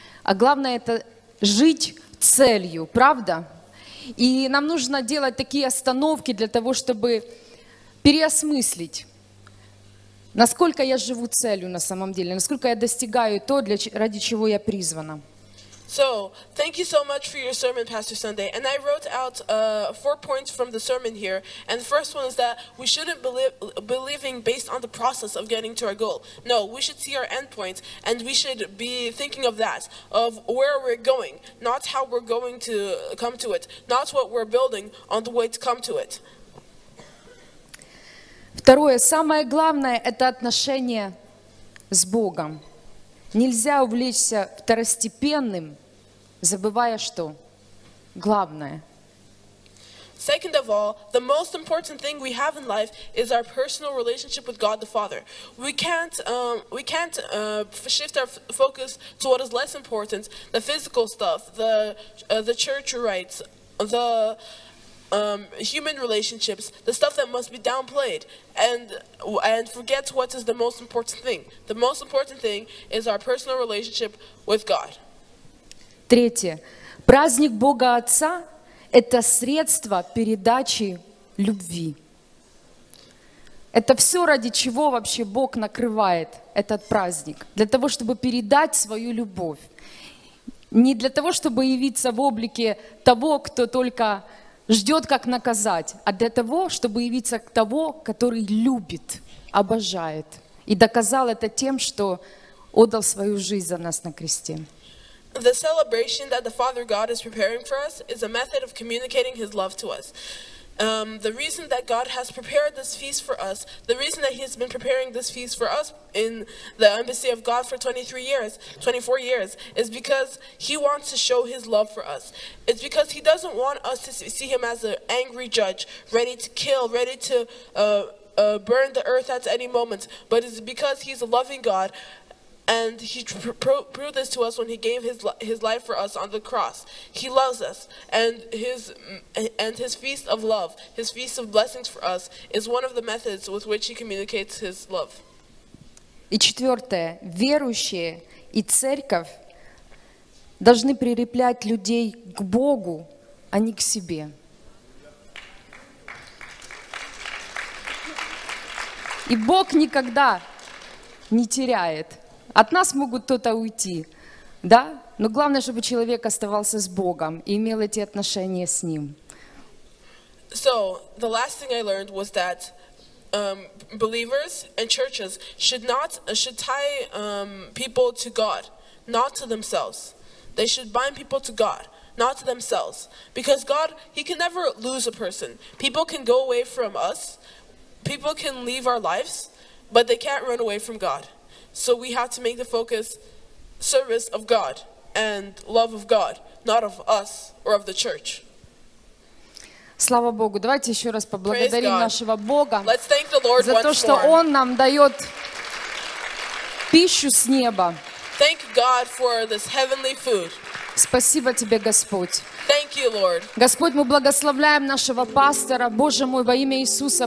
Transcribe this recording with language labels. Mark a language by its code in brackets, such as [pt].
[ru] А главное это жить целью, правда? И нам нужно делать такие остановки для того, чтобы переосмыслить, насколько я живу целью на самом деле, насколько я достигаю то, ради чего я призвана. [en] So, thank you so much for your sermon, Pastor Sunday. And I wrote out 4 points from the sermon here. And the first one is that we shouldn't believing based on the process of getting to our goal. No, we should see our end point, and we should be thinking of that, of where we're going, not how we're going to come to it, not what we're building on the way to come to it. [ru] Второе, самое главное, это отношение с Богом. Нельзя увлечься второстепенным, забывая, что главное. [en] Second of all, the most important thing we have in life is our personal relationship with God the Father. We can't shift our focus to what is less important, the physical stuff, the church rites, the human relationships, the stuff that must be downplayed, and forget what is the most important thing. The most important thing is our personal relationship with God. [ru] Третье. Праздник Бога Отца – это средство передачи любви. Это все, ради чего вообще Бог накрывает этот праздник. Для того, чтобы передать свою любовь. Не для того, чтобы явиться в облике того, кто только ждет, как наказать, а для того, чтобы явиться к того, который любит, обожает. И доказал это тем, что отдал свою жизнь за нас на кресте. [en] The celebration that the Father God is preparing for us is a method of communicating His love to us. The reason that God has prepared this feast for us, the reason that He has been preparing this feast for us in the embassy of God for 24 years, is because He wants to show His love for us. It's because He doesn't want us to see Him as an angry judge, ready to kill, ready to burn the earth at any moment, but it's because He's a loving God. And He proved this to us when He gave His life for us on the cross. He loves us, and His feast of love, His feast of blessings for us, is one of the methods with which He communicates His love. [ru] И четвертое, верующие и церковь должны прилеплять людей к Богу, а не к себе. И Бог никогда не теряет. От нас могут кто-то уйти, да? Но главное, чтобы человек оставался с Богом и имел эти отношения с Ним. [en] So, the last thing I learned was that believers and churches should tie people to God, not to themselves. They should bind people to God, not to themselves. Because God, He can never lose a person. People can go away from us, people can leave our lives, but they can't run away from God. So we have to make the focus service of God and love of God, not of us or of the church. [ru] Слава Богу. Давайте еще раз поблагодарим нашего Бога. [en] Let's thank the Lord [ru] за то, что Он нам дает пищу с неба. [en] Thank God for this heavenly food. [ru] Спасибо тебе, Господь. [en] Thank you, Lord. [ru] Господь, мы благословляем нашего пастора, Боже мой, во имя Иисуса.